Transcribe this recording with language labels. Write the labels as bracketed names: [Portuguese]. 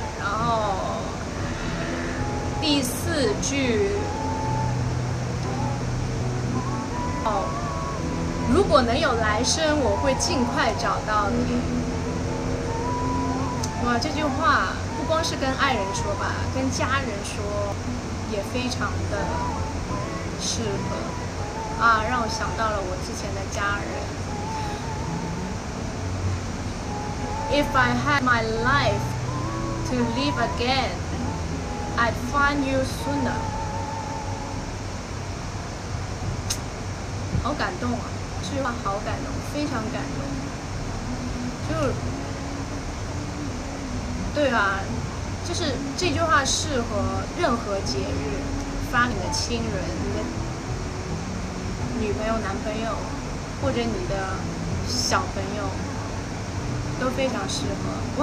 [Chinese] 然后第四句，哦，如果能有来生，我会尽快找到你。哇，这句话。不光是跟爱人说吧，跟家人说也非常的适合啊，让我想到了我之前的家人。 [English] If I had my life to live again, I'd find you sooner。 [Chinese] 好感动啊，这句话好感动，非常感动。就对啊。就是这句话适合任何节日发你的亲人，你的女朋友男朋友或者你的小朋友都非常适合。